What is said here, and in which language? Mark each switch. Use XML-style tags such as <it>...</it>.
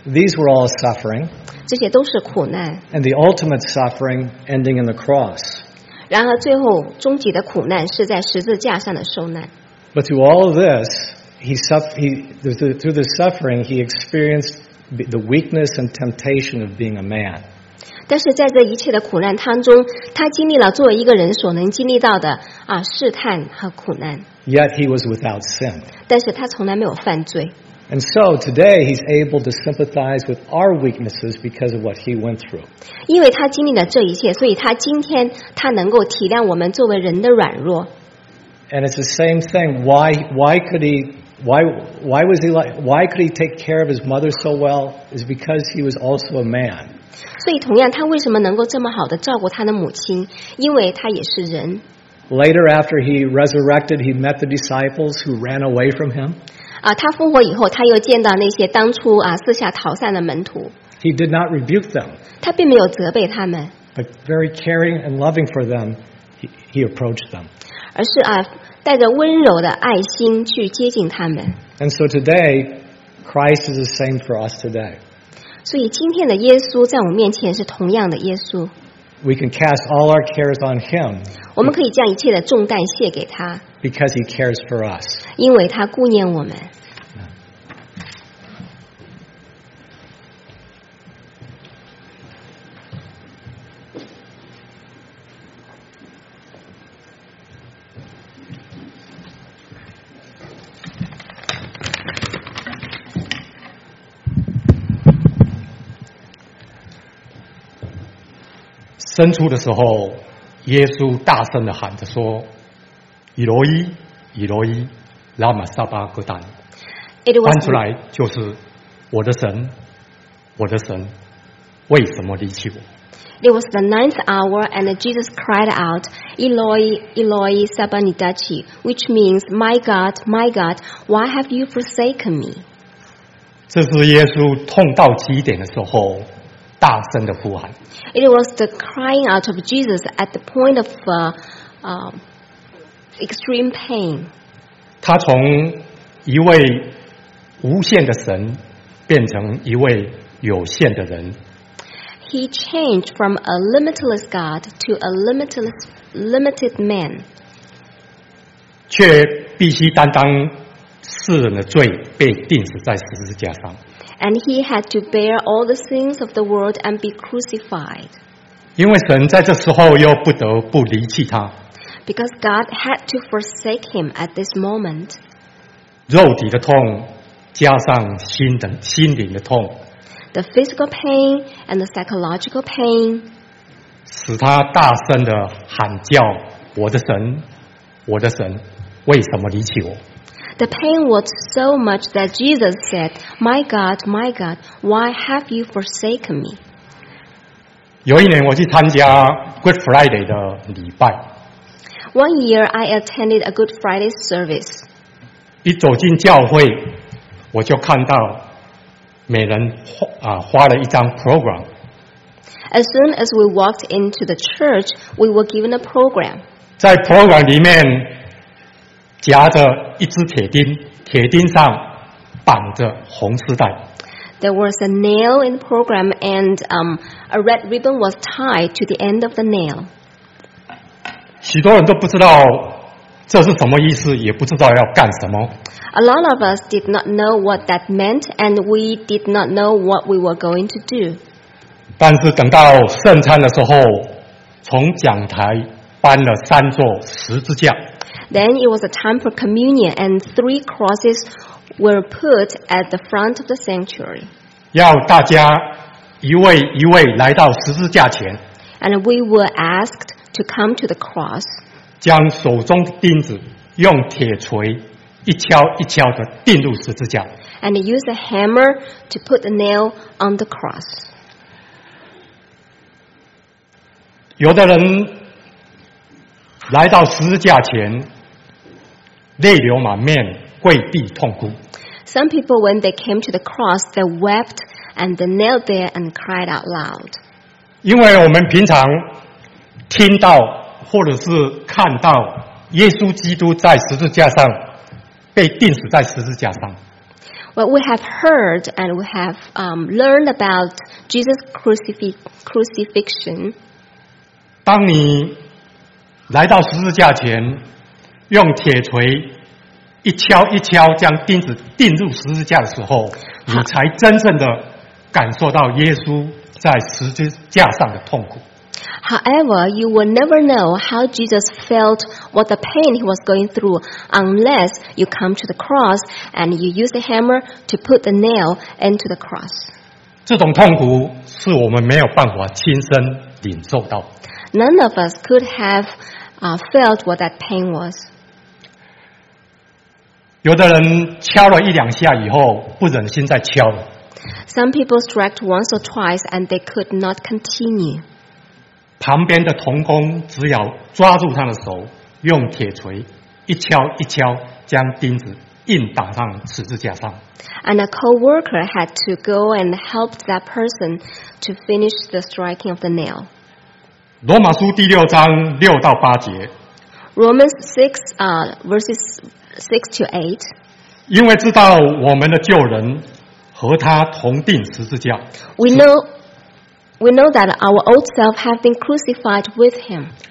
<en>These were all suffering.</en> <zh>这些都是苦难。</zh> <en>And the ultimate suffering ending in the cross.</en> <zh>然而最后终极的苦难是在十字架上的受难。</zh> <en>But through all of this, through the suffering, he experienced the weakness and temptation of being a man.</en> <zh>但是在这一切的苦难当中，他经历了作为一个人所能经历到的试探和苦难。</zh> <en>Yet he was without sin.</en> <zh>但是他从来没有犯罪。</zh> <en>And so today he's able to sympathize with our weaknesses because of what he went through.</en> <zh>因为他经历了这一切，所以他今天他能够体谅我们作为人的软弱。</zh> <en>And it's the same thing. Why could he take care of his mother so well? Is because he was also a man.</en> <zh>所以同样，他为什么能够这么好的照顾他的母亲？因为他也是人。</zh> <en>Later, after he resurrected, he met the disciples who ran away from him.</en> <zh>他复活以后，他又见到那些当初四下逃散的门徒。</zh> <en>He did not rebuke them.</en> <zh>他并没有责备他们。</zh> <en>But very caring and loving for them, he approached them.</en> <zh>而是带着温柔的爱心去接近他们。</zh> <en>And so today, Christ is the same for us today.</en> <zh>所以今天的耶稣在我面前是同样的耶稣。</zh> <en>We can cast all our cares on him.</en> <zh>我们可以将一切的重担卸给他。</zh> <en>Because he cares for us.</en> <zh>因为他顾念我们。伸出的时候，耶稣大声地喊着说：“以罗伊，以罗伊，拉玛撒巴格丹。” 翻出来就是“我的神，我的神，为什么离弃我？”</zh> <en>It was the ninth hour, and Jesus cried out,</en> <arc>"Eloi, Eloi, sabachthani,"</arc> <en>which means, "My God, my God, why have you forsaken me?"</en> <zh>这是耶稣痛到极点的时候。大声的呼喊。</zh> <en>It was the crying out of Jesus at the point of extreme pain.</en> <zh>他从一位无限的神变成一位有限的人。</zh> <en>He changed from a limitless God to a limited man.</en> <zh>却必须担当世人的罪，被钉死在十字架上。</zh> <en>And he had to bear all the sins of the world and be crucified.</en> <zh>因为神在这时候又不得不离弃他。</zh> <en>Because God had to forsake him at this moment.</en> <zh>肉体的痛加上心灵的痛。</zh> <en>The physical pain and the psychological pain.</en> <zh>使他大声地喊叫，我的神，我的神，为什么离弃我？</zh> <en>The pain was so much that Jesus said, "My God, my God, why have you forsaken me?"</en> <zh>有一年我去参加 Good Friday 的礼拜。</zh> <en>One year I attended a Good Friday service.</en> <zh>一走进教会，我就看到每人花了一张 program.</zh> <en>As soon as we walked into the church, we were given a program.</en> <zh>在 program 里面夹着一只铁钉，铁钉上绑着红丝带。</zh> <en>There was a nail in the program, and a red ribbon was tied to the end of the nail.</en> <zh>许多人都不知道这是什么意思，也不知道要干什么。</zh> <en>A lot of us did not know what that meant, and we did not know what we were going to do.</en> <zh>但是等到圣餐的时候，从讲台搬了三座十字架。</zh> <en>Then it was a time for communion, and three crosses were put at the front of the sanctuary.</en> <zh>要大家一位一位来到十字架前。</zh> <en>And we were asked to come to the cross.</en> <zh>将手中的钉子用铁锤一敲一敲的钉入十字架。</zh> <en>And use a hammer to put the nail on the cross.</en> <zh>有的人来到十字架前，泪流满面，跪地痛哭。</zh> <en>Some people, when they came to the cross, they wept and they knelt there and cried out loud.</en> <zh>因为我们平常听到或者是看到耶稣基督在十字架上被钉死在十字架上。</zh> <en>What we have heard and we have learned about Jesus' crucifixion.</en> <zh>当你来到十字架前，用铁锤一敲一敲将钉子钉入十字架的时候，你才真正的感受到耶稣在十字架上的痛苦。</zh> <en>However, you will never know how Jesus felt what the pain he was going through unless you come to the cross and you use the hammer to put the nail into the cross.</en> <zh>这种痛苦是我们没有办法亲身领受到。</zh> <en>None of us could have felt what that pain was.</en> <zh>有的人敲了一两下以后不忍心再敲了。</zh> <en>Some people struck once or twice and they could not continue.</en> <zh>旁边的同工只要抓住他的手，用铁锤一敲一敲将钉子硬打上十字架上。</zh> <en>And a co-worker had to go and help that person to finish the striking of the nail.</en> <zh>罗马书第六章六到八节。</zh> <en>Romans 6, verses 6 to 8.</en> <zh>因为知道我们的旧人和他同钉十字架。</zh> <en>We know that our old self has been crucified with him.</en>